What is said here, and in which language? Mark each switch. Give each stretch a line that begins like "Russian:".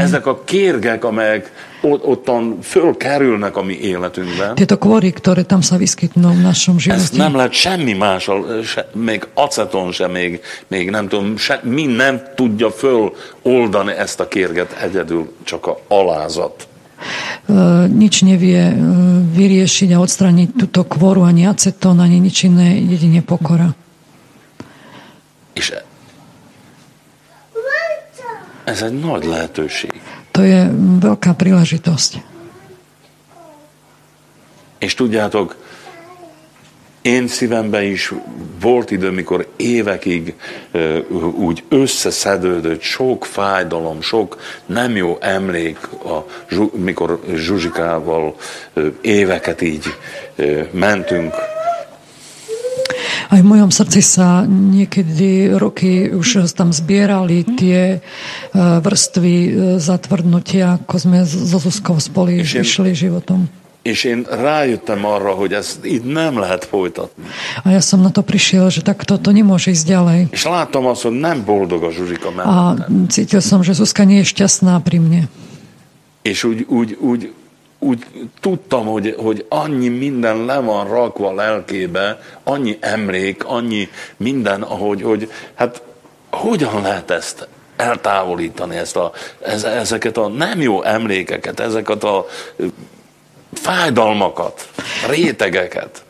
Hungarian: Ezek a kérgek, amelyek ottan fölkerülnek a mi életünkben.
Slovak: Tieto kvory, ktoré tam sa vyskytnú v našom živote.
Hungarian: Ezt nem lehet semmi mással, még aceton sem, még nem tudom, mi nem tudja föloldani ezt a kérget egyedül, csak a alázat.
Slovak: Nič nevie vyriešiť a odstrániť túto kvoru, ani acetón, ani nič iné, jedine pokora.
Hungarian: Ez egy nagy lehetőség.
Slovak: To je veľká príležitosť.
Hungarian: És tudjátok, én szívemben is volt idő, mikor évekig úgy összeszedődött sok fájdalom, sok nem jó emlék, mikor Zsuzsikával éveket így mentünk.
Slovak: Aj v mojom srdci sa niekedy roky už tam zbierali tie vrstvy zatvrdnutia, ako sme so Zuzkou spolu išli životom.
Hungarian: És én rájöttem arra, hogy ezt itt nem lehet folytatni.
Slovak: A ja som na to prišiel, že tak toto nemôže ísť ďalej.
Hungarian: És látom azt, hogy nem boldog a Zsuzsika mellett.
Slovak: A cítil som, že Zuzka nie je šťastná pri mne.
Hungarian: És úgy tudtam, hogy annyi minden le van rakva lelkébe, annyi emlék, annyi minden, ahogy hát hogyan lehet ezt eltávolítani, ezeket a nem jó emlékeket, ezeket a fájdalmakat, rétegeket.